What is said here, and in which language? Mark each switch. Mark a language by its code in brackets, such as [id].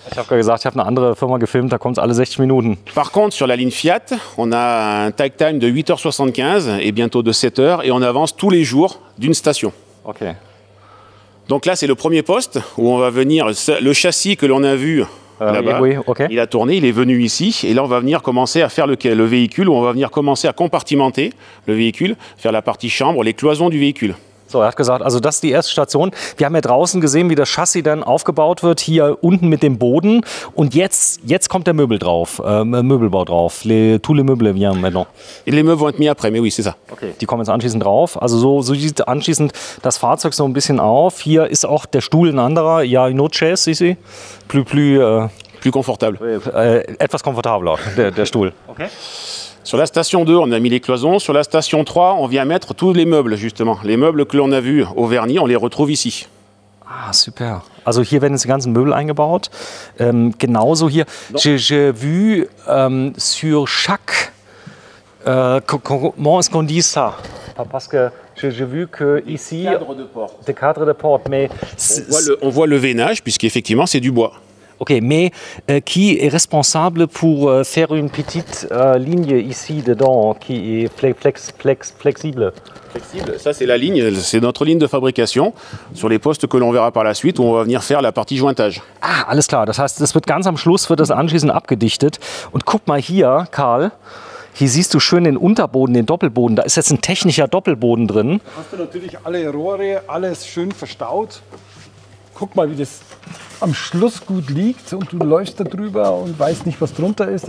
[de] Ich habe gesagt, ich habe eine andere Firma gefilmt, da kommt es alle 60 Minuten. [fr] Par contre, sur la ligne Fiat, on a un tag time de 8h75 et bientôt de 7h, et on avance tous les jours d'une station. Ok. Donc là, c'est le premier poste où on va venir, le châssis que l'on a vu là-bas, oui, okay. Il a tourné, il est venu ici. Et là, on va venir commencer à faire le véhicule, où on va venir commencer à compartimenter le véhicule, faire la partie chambre, les cloisons du véhicule. [de] So, er hat gesagt, also das ist die erste Station. Wir haben ja draußen gesehen, wie das Chassis dann aufgebaut wird, hier unten mit dem Boden. Und jetzt kommt der Möbel drauf, Möbelbau drauf. [fr] Tous les meubles viennent maintenant. Les meubles vont être mis après, mais oui, c'est ça. Okay. [de] Die kommen jetzt anschließend drauf. Also so sieht anschließend das Fahrzeug so ein bisschen auf. Hier ist auch der Stuhl ein anderer. [fr] Ja, une autre chaise, ici. Plus confortable. [de] Etwas komfortabler, der Stuhl. [fr] Okay. Sur la station 2, on a mis les cloisons. Sur la station 3, on vient mettre tous les meubles, justement. Les meubles que l'on a vus au vernis, on les retrouve ici. Ah, super. [de] Also hier werden jetzt die ganzen Möbel eingebaut. Genauso hier. [fr] J'ai vu sur chaque... comment est-ce qu'on dit ça? Parce que j'ai vu que ici... Des cadres de porte. Des cadres de porte, mais... On voit le veinage, puisqu'effectivement, c'est du bois. Ok, mais qui est responsable pour faire une petite ligne ici dedans qui est flexible? Flexible, ça c'est la ligne, c'est notre ligne de fabrication sur les postes que l'on verra par la suite où on va venir faire la partie jointage. [de] Ah, alles klar, das heißt, das wird ganz am Schluss, wird das anschließend abgedichtet. Und guck mal hier, Karl, hier siehst du schön den Unterboden, den Doppelboden, da ist jetzt ein technischer Doppelboden drin. Hast du natürlich alle Rohre, alles schön verstaut. Guck mal, wie das am Schluss gut liegt und du läufst da drüber und weißt nicht, was drunter ist.